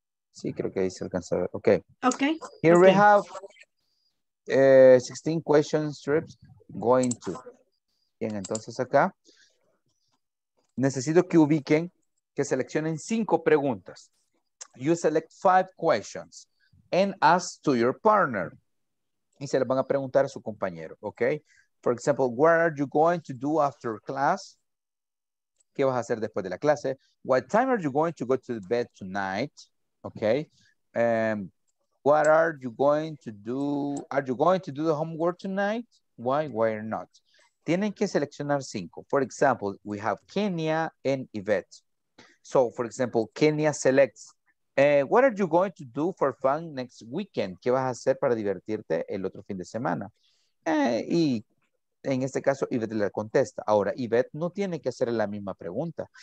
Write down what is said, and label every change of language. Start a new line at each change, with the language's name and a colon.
Spanish: Sí, creo que ahí se alcanza a ver.
English: Okay. Okay. Here okay. We have 16 question strips going to.
Spanish: Bien, entonces acá necesito que ubiquen, que seleccionen 5 preguntas.
English: You select 5 questions and ask to your partner.
Spanish: Y se le van a preguntar a su compañero,
English: okay? For example, what are you going to do after class?
Spanish: ¿Qué vas a hacer después de la clase?
English: What time are you going to go to bed tonight? Okay. What are you going to do? Are you going to do the homework tonight? Why not?
Spanish: Tienen que seleccionar 5.
English: For example, we have Kenya and Yvette. So, for example, Kenya selects. What are you going to do for fun next weekend?
Spanish: ¿Qué vas a hacer para divertirte el otro fin de semana? Y en este caso, Yvette le contesta. Ahora, Yvette no tiene que hacer la misma pregunta.